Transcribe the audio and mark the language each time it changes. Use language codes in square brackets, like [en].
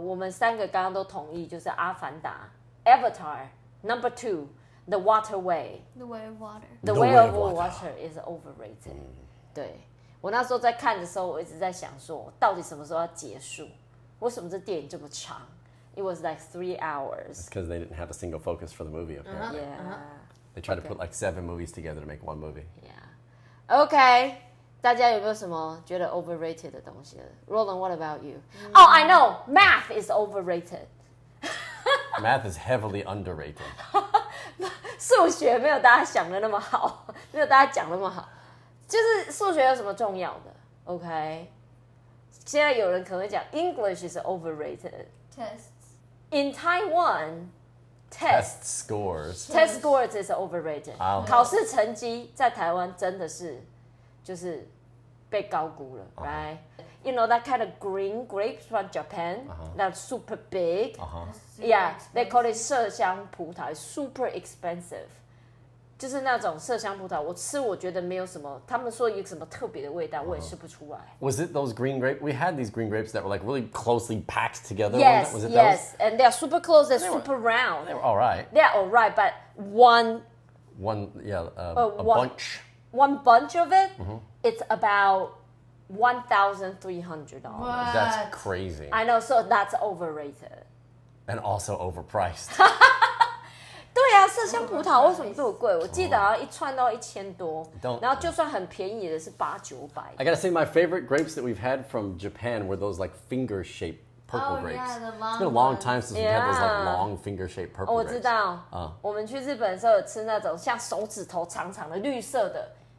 [zh] 我们三个刚刚都同意，就是《阿凡达》（Avatar）、Number Two、The Waterway、 [en] The Way of Water、 The Way of Water is overrated。 对。 [zh] 我那时候在看的时候，我一直在想说，到底什么时候要结束？为什么这电影这么长 ？ [en] It was like 3 hours. Because they didn't have a single focus for the movie, apparently. Uh-huh. Yeah. They tried to put like 7 movies together to make one movie. Yeah. Okay. [zh] 大家有没有什么觉得 overrated 的东西 [en] ？Roland, what about you? Oh, I know. Math is overrated. Math is heavily underrated. [zh] 数学没有大家想的那么好，没有大家讲那么好。就是数学有什么重要的 ？OK， 现在有人可能会讲 [en] English is overrated. Tests in Taiwan, test scores is overrated.、 [zh] Oh. 考试成绩在台湾真的是就是被高估了、uh-huh. ，right? [en] You know that kind of green grapes from Japan,、uh-huh. that super big,、 uh-huh. yeah, they call it 麝香葡萄 super expensive. [zh] 就是那种麝香葡萄，我吃我觉得没有什么，他们说有什么特别的味道，我也吃不出来。 [en] Uh-huh. Was it those green grapes? We had these green grapes that were like really closely packed together. Yes, was it yes, those? And they are super close, they're super round. They were all right. They are all right, but one, yeah, a bunch. One bunch of it,、mm-hmm. it's about $1,300. That's crazy. I know, so that's overrated. And also overpriced. [zh] 对啊，麝香葡萄为什么这么贵？我记得好像一串都要1000多。然后就算很便宜的是800-900。 [en] I gotta say my favorite grapes that we've had from Japan were those like finger shaped purple grapes. Oh, yeah, it's been a long time since we've had those like long finger shaped purple grapes. [zh] 我知道。我们去日本的时候有吃那种像手指头长长的绿色的。